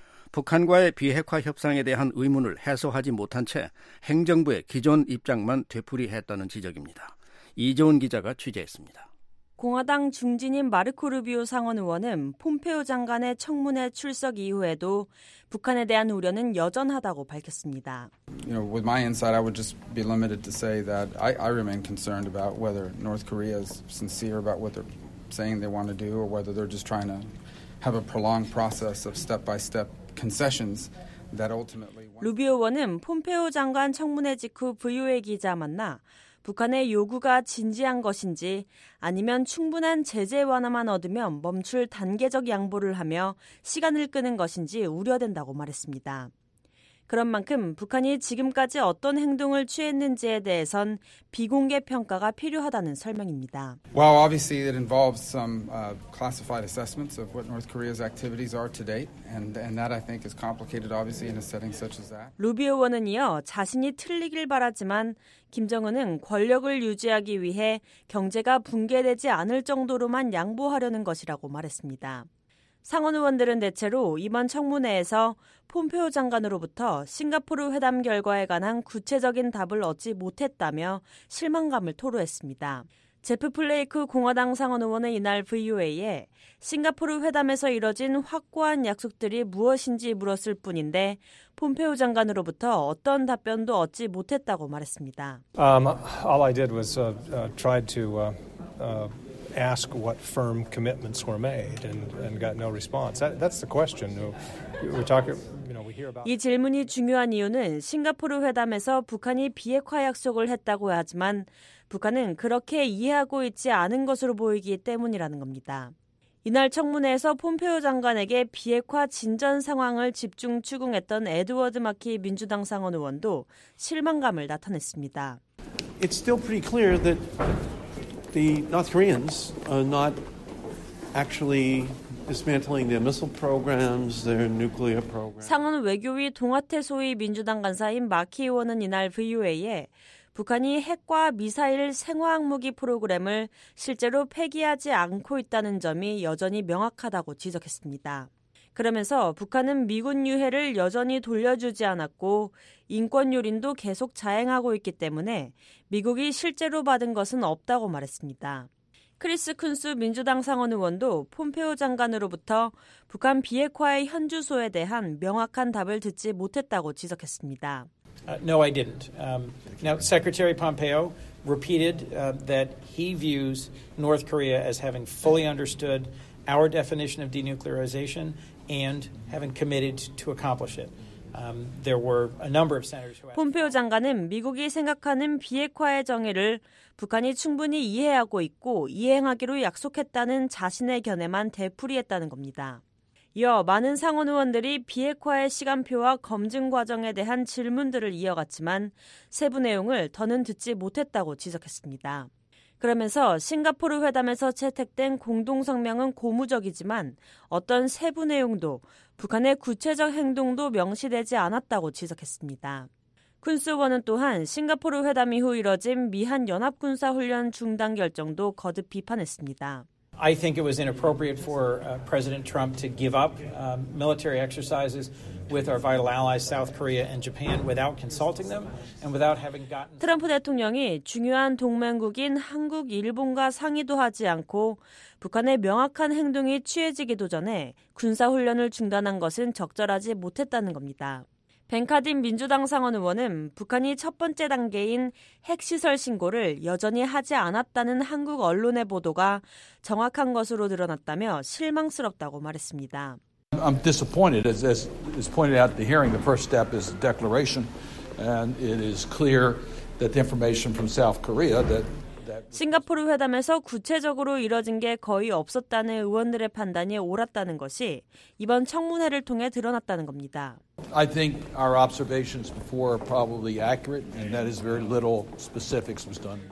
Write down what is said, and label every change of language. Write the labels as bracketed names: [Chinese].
[Korean] 북한과의 비핵화 협상에 대한 의문을 해소하지 못한 채 행정부의 기존 입장만 되풀이했다는 지적입니다. 이재훈 기자가 취재했습니다. 공화당 중진인 마르코 루비오 상원 의원은 폼페오 장관의 청문회 출석 이후에도 북한에 대한 우려는 여전하다고 밝혔습니다. [English] You know, with my insight, I would just be limited to say that I remain concerned about whether North Korea is sincere about what they're saying they want to do, or whether they're just trying to have a prolonged process of step-by-step concessions that ultimately. [Korean] 루비오 의원은 폼페오 장관 청문회 직후 VOA 기자 만나. 북한의 요구가 진지한 것인지 아니면 충분한 제재 완화만 얻으면 멈출 단계적 양보를 하며 시간을 끄는 것인지 우려된다고 말했습니다. 그런 만큼 북한이 지금까지 어떤 행동을 취했는지에 대해선 비공개 평가가 필요하다는 설명입니다. [English] Well, obviously it involves some classified assessments of what North Korea's activities are to date, and that I think is complicated, obviously, in a setting such as that. [Korean] 루비오 의원은 이어 자신이 틀리길 바라지만 김정은은 권력을 유지하기 위해 경제가 붕괴되지 않을 정도로만 양보하려는 것이라고 말했습니다. 상원 의원들은 대체로 이번 청문회에서 폼페오 장관으로부터 싱가포르 회담 결과에 관한 구체적인 답을 얻지 못했다며 실망감을 토로했습니다. 제프 플레이크 공화당 상원 의원은 이날 VOA에 싱가포르 회담에서 이뤄진 확고한 약속들이 무엇인지 물었을 뿐인데 폼페오 장관으로부터 어떤 답변도 얻지 못했다고 말했습니다. [English] All I did was tried to ask what firm commitments were made and got no response. That's the question. We're talking, you know, we hear about. [Korean] 이 질문이 중요한 이유는 싱가포르 회담에서 북한이 비핵화 약속을 했다고 하지만 북한은 그렇게 이해하고 있지 않은 것으로 보이기 때문이라는 겁니다. 이날 청문회에서 폼페오 장관에게 비핵화 진전 상황을 집중 추궁했던 에드워드 마키 민주당 상원 의원도 실망감을 나타냈습니다. [English] it's still pretty clear that the North Koreans are not actually dismantling their missile programs, their nuclear programs. [Korean] 상원 외교위 동아태 소위 민주당 간사인 마키 의원은 이날 VOA에 북한이 핵과 미사일 생화학 무기 프로그램을 실제로 폐기하지 않고 있다는 점이 여전히 명확하다고 지적했습니다. 그러면서 북한은 미군 유해를 여전히 돌려주지 않았고 인권 유린도 계속 자행하고 있기 때문에 미국이 실제로 받은 것은 없다고 말했습니다. 크리스 쿤스 민주당 상원 의원도 폼페오 장관으로부터 북한 비핵화의 현주소에 대한 명확한 답을 듣지 못했다고 지적했습니다. [English] No, I didn't. Now, Secretary Pompeo repeated that he views North Korea as having fully understood our definition of denuclearization and having committed to accomplish it. There were a number of senators who asked. [Korean] 폼페오 장관은 미국이 생각하는 비핵화의 정의를 북한이 충분히 이해하고 있고 이행하기로 약속했다는 자신의 견해만 되풀이했다는 겁니다. 이어 많은 상원 의원들이 비핵화의 시간표와 검증 과정에 대한 질문들을 이어갔지만 세부 내용을 더는 듣지 못했다고 지적했습니다. 그러면서 싱가포르 회담에서 채택된 공동성명은 고무적이지만 어떤 세부 내용도 북한의 구체적 행동도 명시되지 않았다고 지적했습니다. 쿤스 의원은 또한 싱가포르 회담 이후 이뤄진 미한 연합군사 훈련 중단 결정도 거듭 비판했습니다. [English] I think it was inappropriate for President Trump to give up military exercises with our vital allies South Korea and Japan without consulting them and without having gotten. [Korean] 트럼프 대통령이 중요한 동맹국인 한국, 일본과 상의도 하지 않고 북한의 명확한 행동이 취해지기도 전에 군사 훈련을 중단한 것은 적절하지 못했다는 겁니다. 벤카딘 민주당 상원 의원은 북한이 첫 번째 단계인 핵시설 신고를 여전히 하지 않았다는 한국 언론의 보도가 정확한 것으로 드러났다며 실망스럽다고 말했습니다. [English] I'm disappointed. As pointed out at the hearing, the first step is a declaration. And it is clear that the information from South Korea that [Korean] 싱가포르 회담에서 구체적으로 이뤄진 게 거의 없었다는 의원들의 판단이 옳았다는 것이 이번 청문회를 통해 드러났다는 겁니다. [English] I think our observations before are probably accurate and that is very little specifics was done.